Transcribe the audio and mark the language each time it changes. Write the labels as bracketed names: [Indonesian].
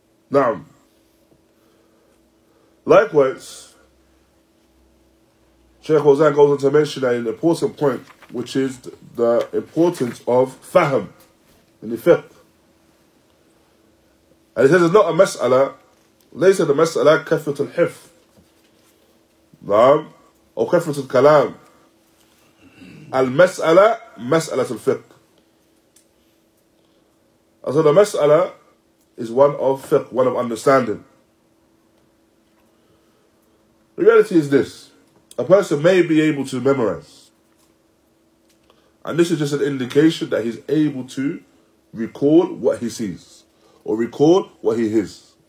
[English] Now, likewise, Sheikh Wazan goes on to mention an important point, which is the importance of fahm in the fiqh. And he says, it's not a mas'ala, [Arabic] ليس المسألة كثرة الحفظ. نعم أو كثرة الكلام المسألة مسألة الفقه. [English] So the مسألة is one of fiqh, one of understanding. The reality is this: a person may be able to memorize, and this is just an indication that he's able to recall what he sees or recall what he hears.